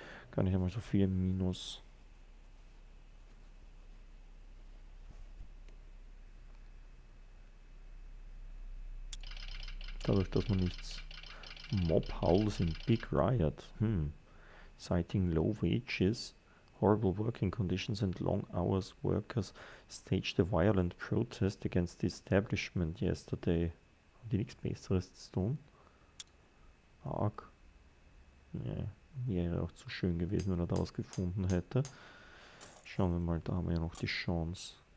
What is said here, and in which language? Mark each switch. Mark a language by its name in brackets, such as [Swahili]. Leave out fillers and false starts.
[German] Gar nicht einmal so viel im Minus. Dadurch, dass man nichts. [English] Mob Howls in Big Riot. Citing low wages, horrible working conditions and long hours, workers staged a violent protest against the establishment yesterday. [German] Haben die nichts Besseres zu tun? Arg. Nee. Wäre auch zu schön gewesen, wenn er da was gefunden hätte. Schauen wir mal, da haben wir ja noch die Chance.